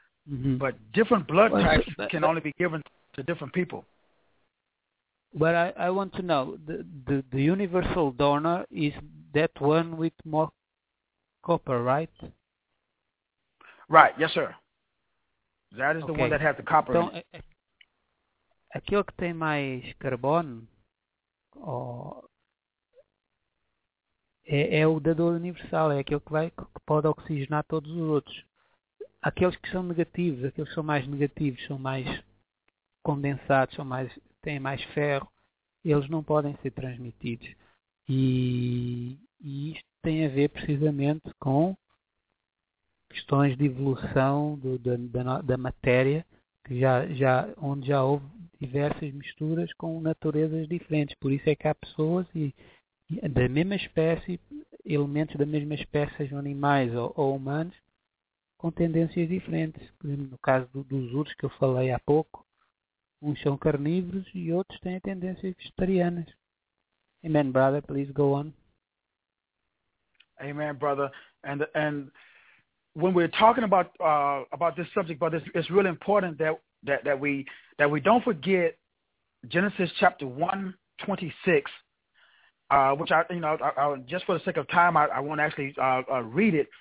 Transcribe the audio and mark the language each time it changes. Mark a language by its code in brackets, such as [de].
[en] Mm-hmm. But different blood types can only be given to different people. But I want to know, the universal donor is that one with more copper, right? Right, yes, sir. That is okay. The one that has the copper. [pt] Então, aquele que tem mais carbono, é o dador universal, é aquele que pode oxigenar todos os outros. Aqueles que são negativos, aqueles que são mais negativos, são mais condensados, têm mais ferro, eles não podem ser transmitidos. E isto tem a ver precisamente com questões de evolução da matéria, que onde já houve diversas misturas com naturezas diferentes. Por isso é que há pessoas e da mesma espécie, elementos da mesma espécie, sejam animais ou humanos, com tendências diferentes. Por exemplo, no caso dos ursos que eu falei há pouco, uns são carnívoros e outros têm tendências vegetarianas. [en] Amen, brother. Please go on. Amen, brother. And when we're talking about this subject, brother, it's really important that we don't forget Genesis chapter 1:26, which I just for the sake of time, I won't actually read it.